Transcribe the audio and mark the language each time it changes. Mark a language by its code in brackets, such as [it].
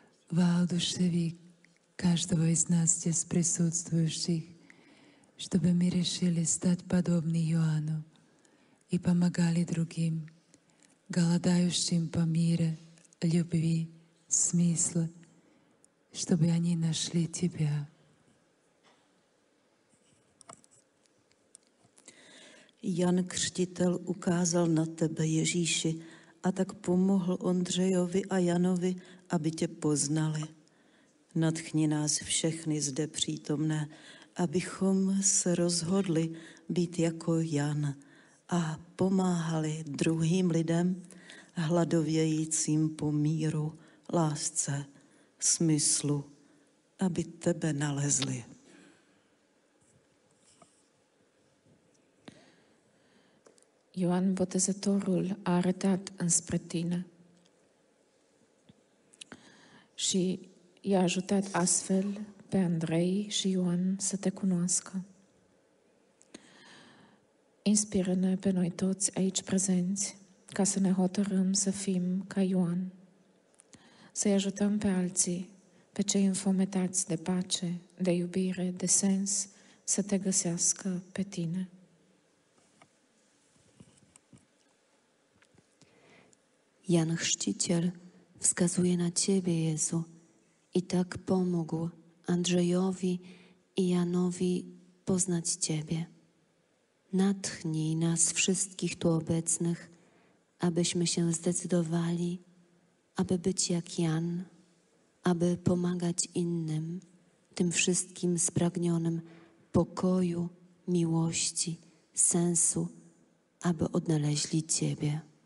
[ru] Воодушеви каждого из нас здесь присутствующих, чтобы мы решили стать подобны Иоанну и помогали другим, голодающим по миру, любви, смыслу, чтобы они нашли тебя. [cs] Jan Křtitel ukázal na tebe, Ježíši, a tak pomohl Ondřejovi a Janovi, aby tě poznali. Natchni nás všechny zde přítomné, abychom se rozhodli být jako Jan a pomáhali druhým lidem, hladovějícím po míru, lásce, smyslu, aby tebe nalezli. [ro] Ioan Botezătorul a arătat înspre tine și i-a ajutat astfel pe Andrei și Ioan să te cunoască. Inspiră-ne pe noi toți aici prezenți ca să ne hotărâm să fim ca Ioan, să-i ajutăm pe alții pe cei înfometați de pace, de iubire, de sens, să te găsească pe tine. [pl] Jan Chrzciciel wskazuje na Ciebie, Jezu, i tak pomógł Andrzejowi i Janowi poznać Ciebie. Natchnij nas wszystkich tu obecnych, abyśmy się zdecydowali, aby być jak Jan, aby pomagać innym, tym wszystkim spragnionym pokoju, miłości, sensu, aby odnaleźli Ciebie.